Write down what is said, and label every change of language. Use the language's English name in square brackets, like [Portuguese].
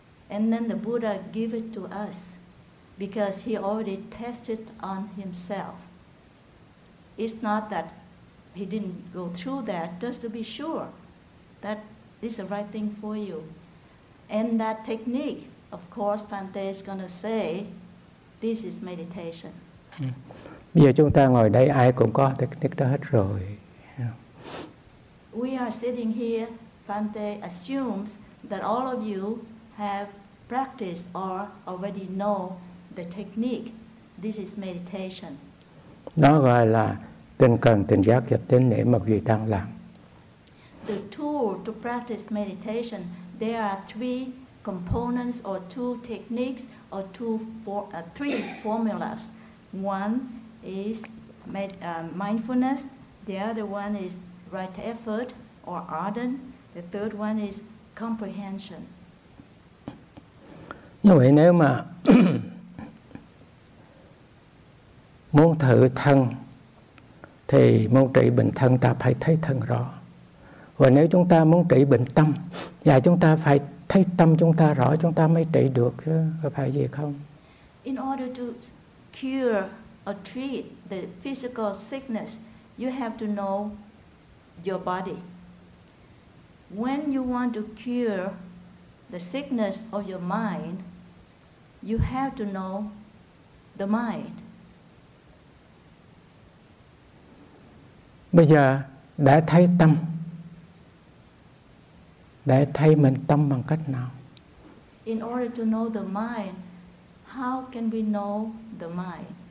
[English] And then the Buddha gave it to us because he already tested it on himself. It's not that he didn't go through that, just to be sure that this is the right thing for you. And that technique, of course, Bhante is going to say, this is meditation. [Vietnamese] Bây giờ chúng ta ngồi đây ai cũng có technique đó hết rồi. [English] We are sitting here, Bhante assumes that all of you have practiced or already know the technique. This is meditation. [Vietnamese] Đó gọi là tinh cần, tinh giác và tinh niệm mà vị đang làm. [English] The tool to practice meditation, there are three components or two techniques or three formulas. One is mindfulness, the other one is right effort or ardent, the third one is comprehension. [Vietnamese] Như vậy nếu mà muốn thử thân thì muốn trị bệnh thân ta phải thấy thân rõ. Và nếu chúng ta muốn trị bệnh tâm thì chúng ta phải thấy tâm chúng ta rõ, chúng ta mới trị được chứ, có phải gì không? [English] In order to cure or treat the physical sickness, you have to know your body. When you want to cure the sickness of your mind, you have to know the mind. [Vietnamese] Bây giờ đã thấy tâm, để thay mình tâm bằng cách nào? [English] In order to know the mind, how can we know the mind?